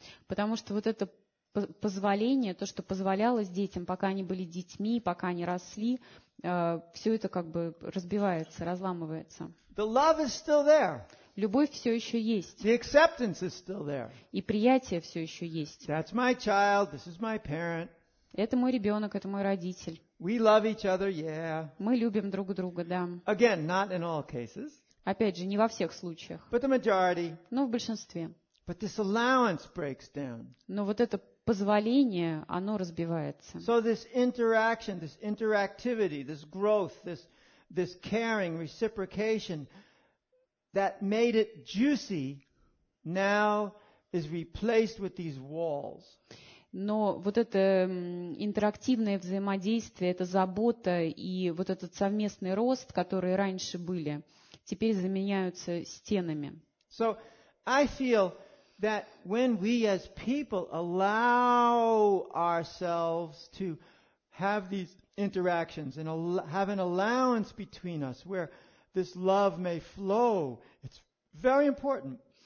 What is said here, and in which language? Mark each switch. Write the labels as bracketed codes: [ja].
[ru] Потому что вот это позволение, то, что позволялось детям, пока они были детьми, пока они росли, все это как бы разбивается, разламывается. [en] The love is still there. [ru] Любовь все еще есть. [en] The acceptance is still there. [ru] И приятие все еще есть. [en] That's my child, this is my parent. [ru] Это мой ребенок, это мой родитель. [en] We love each other, yeah. [ru] Мы любим друг друга, да. [en] Again, not in all cases. [ru] Опять же, не во всех случаях. [en] But the majority. [ru] Но в большинстве. [en] But this allowance breaks down. [ru] Но вот это позволение, оно разбивается. [en] So this interaction, this interactivity, this growth, this caring, reciprocation that made it juicy now is replaced with these walls. [ru] Но вот это интерактивное взаимодействие, эта забота и вот этот совместный рост, которые раньше были, теперь заменяются стенами. [en] So I feel that when we as people allow ourselves to have these interactions and have an allowance between us where this love may flow, it's very important.